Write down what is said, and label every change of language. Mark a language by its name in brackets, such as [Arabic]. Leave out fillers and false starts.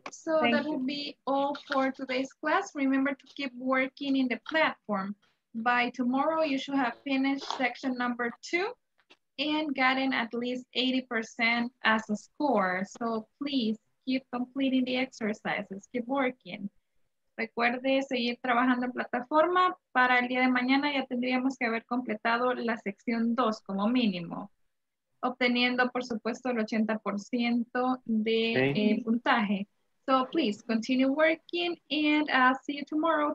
[English] So that will be all for today's class. Remember to keep working in the platform. By tomorrow, you should have finished section number two and gotten at least 80% as a score. So please keep completing the exercises, keep working. [Spanish] Recuerde seguir trabajando en plataforma. Para el día de mañana ya tendríamos que haber completado la sección 2 como mínimo, obteniendo, por supuesto, el 80% de puntaje. [English] So please continue working and I'll see you tomorrow.